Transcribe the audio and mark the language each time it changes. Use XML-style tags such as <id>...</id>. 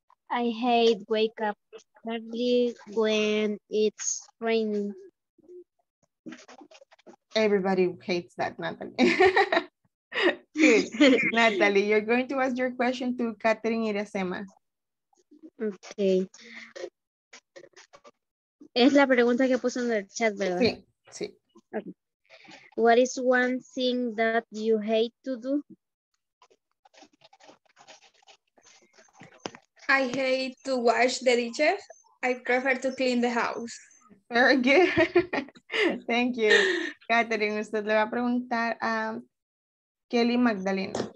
<en>I hate wake up early when it's raining. Everybody hates that, Natalie. Good. Natalie, you're going to ask your question to Catherine Iracema. Okay.</en> <es>Es la pregunta que puso en el chat, ¿verdad? Sí, sí.</es> <en>Okay. What is one thing that you hate to do? I hate to wash the dishes. I prefer to clean the house. Very good. Thank you.</en> <es>Catherine, usted le va a preguntar a Kelly Magdalena.</es>